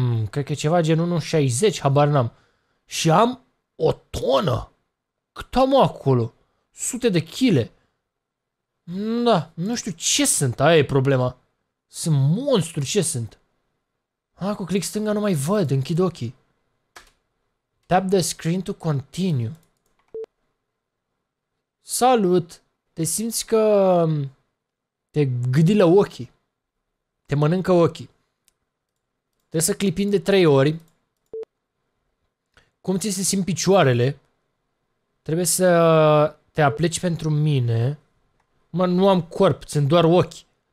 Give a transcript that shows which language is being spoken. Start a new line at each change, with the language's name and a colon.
Romanian: Cred că ceva gen 1'60", habar n-am. Și am o tonă. Cât am acolo? Sute de chile. Da, nu știu ce sunt, aia e problema. Sunt monstru, ce sunt? Cu click stânga nu mai văd, închid ochii.
English: Tap the screen to continue.
Romanian: Salut! Te simți că te gâdilă ochii. Te mănâncă ochii. Trebuie să clipim de 3 ori. Cum ți se simt picioarele? Trebuie să te apleci pentru mine. Mă, nu am corp, sunt doar ochi.